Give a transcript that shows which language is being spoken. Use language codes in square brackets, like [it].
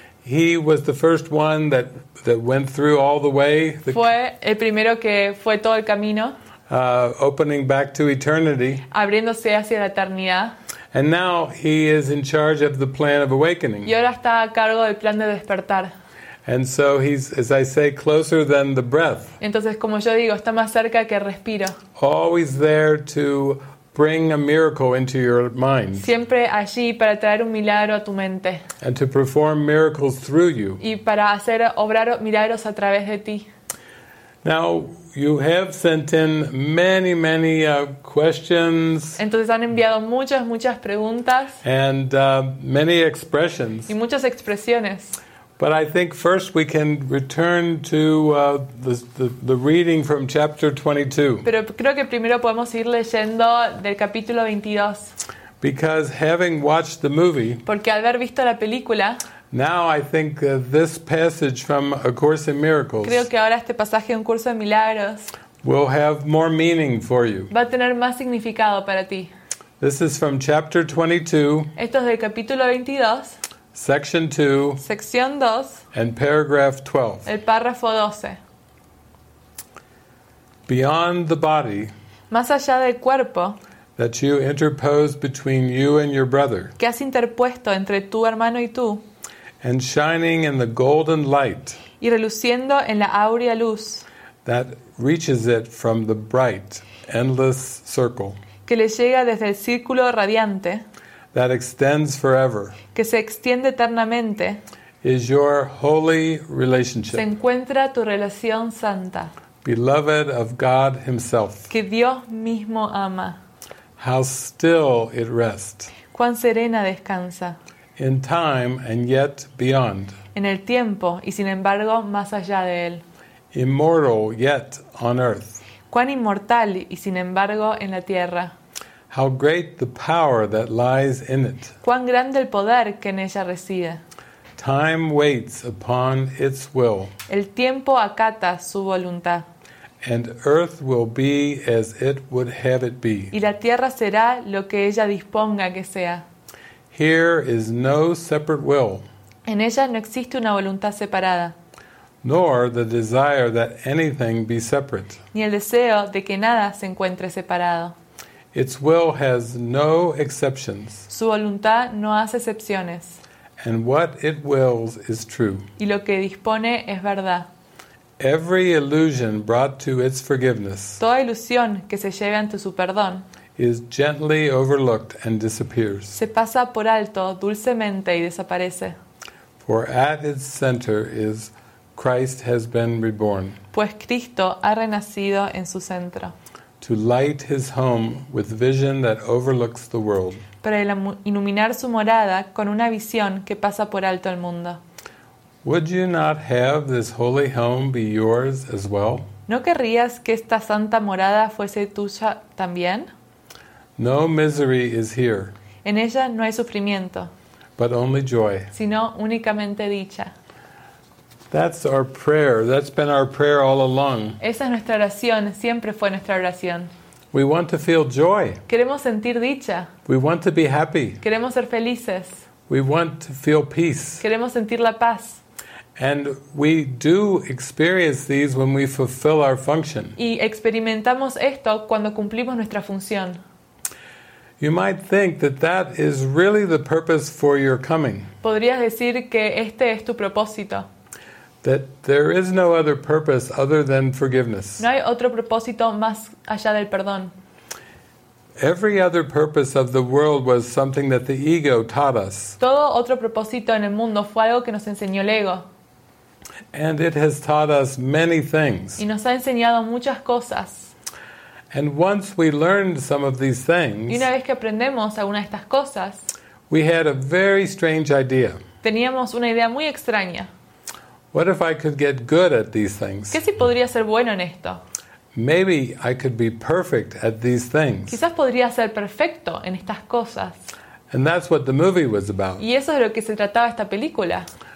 [en] He was the first one that went through all the way. [es] Fue el primero que fue todo el camino. [en] Opening back to eternity. [es] Abriéndose hacia la eternidad. [en] And now he is in charge of the plan of awakening. [es] Y ahora está a cargo del plan de despertar. [en] And so he's, as I say, closer than the breath. [es] Entonces, como yo digo, está más cerca que el respiro. [en] Always there to bring a miracle into your mind. [es] Siempre allí para traer un milagro a tu mente. [en] And to perform miracles through you. [es] Y para hacer obrar milagros a través de ti. [en] Now you have sent in many, many questions. [es] Entonces han enviado muchas preguntas. [en] And many expressions. [es] Y muchas expresiones. [en] But I think first we can return to the reading from chapter 22. [es] Pero creo que primero podemos ir leyendo del capítulo 22. [en] Because having watched the movie. [es] Porque al haber visto la película. [en] Now I think this passage from A Course in Miracles. [es] Creo que ahora este pasaje de Un Curso de Milagros. [en] Will have more meaning for you. [es] Va a tener más significado para ti. [en] This is from chapter 22. [es] Esto es del capítulo 22. [en] Section 2. [es] Sección 2. [en] And paragraph 12. [es] El párrafo 12. [en] Beyond the body. [es] Más allá del cuerpo. [en] That you interposed between you and your brother. [es] Que has interpuesto entre tu hermano y tú. [en] And shining in the golden light. [es] Y reluciendo en la áurea luz. [en] That reaches it from the bright, endless circle. [es] Que le llega desde el círculo radiante. [en] That extends forever. [es] Que se extiende eternamente. [en] Is your holy relationship. [es] Se encuentra tu relación santa. [en] Beloved of God Himself. [es] Que Dios mismo ama. [en] How still it rests. [es] Cuán serena descansa. [en] In time and yet beyond. [es] En el tiempo y sin embargo más allá de él. [en] Immortal yet on earth. [es] Cuán inmortal y sin embargo en la tierra. [en] How great the power that lies in it. [es] Cuán grande el poder que en ella reside. [en] Time waits upon its will. [es] El tiempo acata su voluntad. [en] And earth will be as it would have it be. [es] Y la tierra será lo que ella disponga que sea. [en] Here is no separate will. [es] En ella no existe una voluntad separada. [en] Nor the desire that anything be separate. [es] Ni el deseo de que nada se encuentre separado. [en] Its will has no exceptions. [es] Su voluntad no hace excepciones. [en] And what it wills is true. [es] Y lo que dispone es verdad. [en] Every illusion brought to its forgiveness. [es] Toda ilusión que se lleve ante su perdón. [en] Is gently overlooked and disappears. [es] Se pasa por alto dulcemente y desaparece. [en] For at its center is Christ has been reborn. [es] Pues Cristo ha renacido en su centro. [en] To light his home with vision that overlooks the world. [es] Para iluminar su morada con una visión que pasa por alto el mundo. [en] Would you not have this holy home be yours as well? [es] ¿No querrías que esta santa morada fuese tuya también? [en] No misery is here. [es] En ella no hay sufrimiento. [en] But only joy. [es] Sino únicamente dicha. [en] That's our prayer. That's been our prayer all along. [es] Esa es nuestra oración. Siempre fue nuestra oración. [en] We want to feel joy. [es] Queremos sentir dicha. [en] We want to be happy. [es] Queremos ser felices. [en] We want to feel peace. [es] Queremos sentir la paz. [en] And we do experience these when we fulfill our function. [es] Y experimentamos esto cuando cumplimos nuestra función. [en] You might think that that is really the purpose for your coming. [es] Podrías decir que este es tu propósito. [en] That there is no other purpose other than forgiveness. [es] No hay otro propósito más allá del perdón. [en] Every other purpose of the world was something that the ego taught us. [es] Todo otro propósito en el mundo fue algo que nos enseñó el ego. [en] And it has taught us many things. [es] Y nos ha enseñado muchas cosas. [en] And once we learned some of these things, [es] y una vez que aprendemos alguna de estas cosas, [en] we had a very strange idea. [es] Teníamos una idea muy extraña. [en] What if I could get good at these things? [es] ¿Qué si podría ser bueno en esto? [en] Maybe I could be perfect at these things. [es] Quizás podría ser perfecto en estas cosas. [en] And that's what the movie was about. [es] Y eso es lo que se trataba esta película.